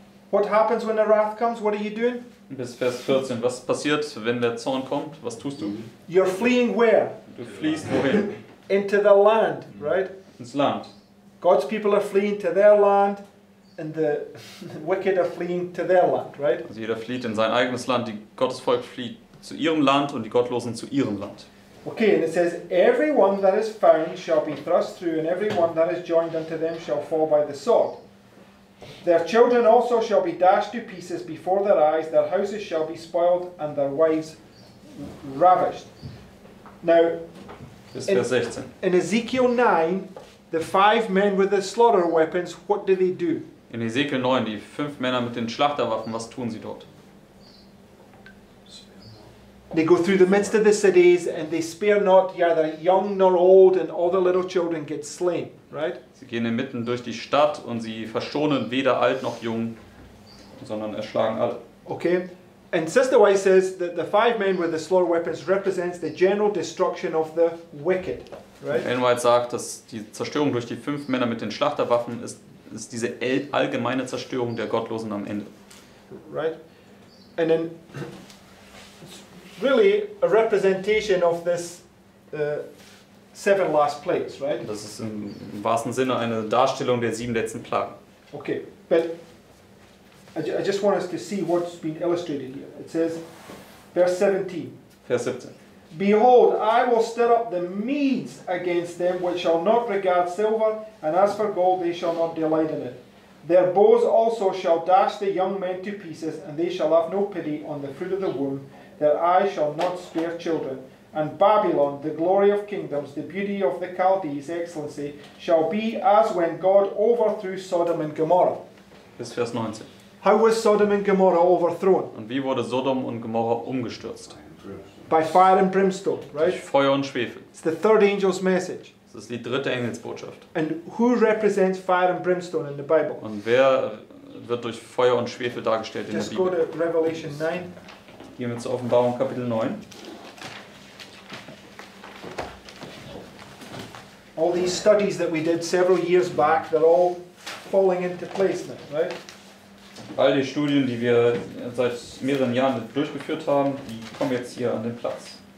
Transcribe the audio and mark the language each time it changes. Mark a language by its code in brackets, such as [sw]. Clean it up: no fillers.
[en] What happens when the wrath comes? What are you doing? [de] Bis Vers 14. Was passiert, wenn der Zorn kommt? Was tust du? [en] You're fleeing where? [de] Du fliehst wohin? [en] Into the land, right? [de] Ins Land. [en] God's people are fleeing to their land, and the wicked are fleeing to their land, right? [de] Also jeder flieht in sein eigenes Land, die Gottesvolk flieht zu ihrem Land und die Gottlosen zu ihrem Land. [en] Okay, and it says, everyone that is found shall be thrust through, and everyone that is joined unto them shall fall by the sword. Their children also shall be dashed to pieces before their eyes, their houses shall be spoiled, and their wives ravished. Now, in Ezekiel 9, the five men with the slaughter weapons, what do they do? [de] In Ezekiel 9, die fünf Männer mit den Schlachterwaffen, was tun sie dort? [en] They go through the midst of the cities, and they spare not either young nor old, and all the little children get slain, right? [de] Sie gehen inmitten durch die Stadt, und sie verschonen weder alt noch jung, sondern erschlagen alle. [en] Okay, and Sister White says that the five men with the slaughter weapons represents the general destruction of the wicked, right? [de] Ellen White sagt, dass die Zerstörung durch die fünf Männer mit den Schlachterwaffen ist diese allgemeine Zerstörung der Gottlosen am Ende. [en] Right, and then really a representation of this seven last plagues, right? [de] Das ist im wahrsten Sinne eine Darstellung der sieben letzten Plagen. [en] Okay, but I just want us to see what's been illustrated here. It says, verse 17. [de] Vers 17. [en] Behold, I will stir up the Medes against them which shall not regard silver, and as for gold they shall not delight in it. Their bows also shall dash the young men to pieces, and they shall have no pity on the fruit of the womb. Their eyes shall not spare children. And Babylon, the glory of kingdoms, the beauty of the Chaldees' excellency, shall be as when God overthrew Sodom and Gomorrah. [de] Bis Vers 19. [en] How was Sodom and Gomorrah overthrown? [de] Und wie wurde Sodom und Gomorrah umgestürzt? [en] By fire and brimstone, right? [de] Durch Feuer und Schwefel. [en] It's the third angel's message. [de] Das ist die dritte Engelsbotschaft. [en] And who represents fire and brimstone in the Bible? [de] Und wer wird durch Feuer und Schwefel dargestellt [en] just [de] in der Bibel? [en] Just go to Revelation 9. [de] Gehen wir zur Offenbarung, Kapitel 9. [en] All these studies that we did several years back, they're all falling into place now, right? [de] All die Studien, die wir seit mehreren Jahren durchgeführt haben, die kommen jetzt hier an den Platz.